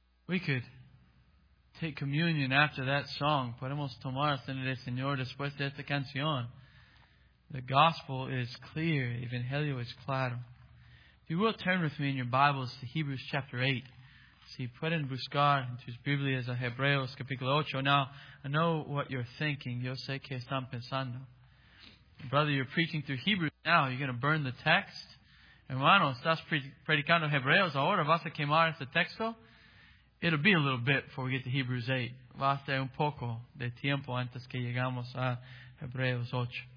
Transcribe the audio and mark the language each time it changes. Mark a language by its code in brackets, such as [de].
[en] We could take communion after that song. [es] Podemos tomar cena del Señor después de esta canción. [en] The gospel is clear. [es] Evangelio es claro. [en] If you will turn with me in your Bibles to Hebrews chapter 8. [es] Si pueden buscar en tus Biblias a Hebreos capítulo 8. [en] Now, I know what you're thinking. [es] Yo sé que están pensando. [en] Brother, you're preaching through Hebrews now. You're going to burn the text. [es] Hermano, estás predicando Hebreos ahora. ¿Vas a quemar este texto? [en] It'll be a little bit before we get to Hebrews 8. [es] Va a ser un poco de tiempo antes que llegamos a Hebreos 8.